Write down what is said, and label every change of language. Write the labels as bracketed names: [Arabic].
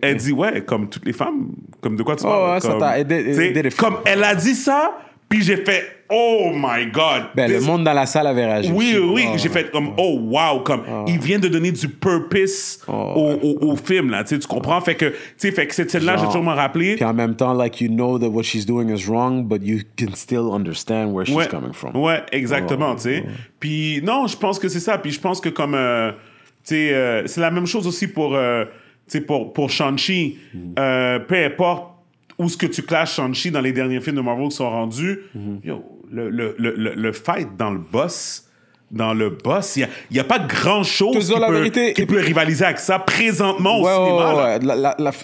[French] elle dit ouais comme toutes les femmes comme de quoi tu parles comme, ça t'a aidé, comme elle a dit ça puis j'ai fait [English] oh my god [French] le monde dans la salle avait réagi oui j'ai fait comme [English] oh wow [French] comme il vient de donner du purpose au film là tu comprends fait que cette scène là j'ai toujours m'en rappelé puis en même temps [English] like you know that what she's doing is wrong but you can still understand where she's coming from [French] ouais exactement tu sais puis non je pense que c'est ça puis je pense que comme c'est la même chose aussi pour Shang-Chi. Peu importe où ce que tu clashes Shang-Chi dans les derniers films de Marvel qui sont rendus, yo, le fight dans le boss, il y a pas grand chose qui peut rivaliser avec ça présentement au cinéma.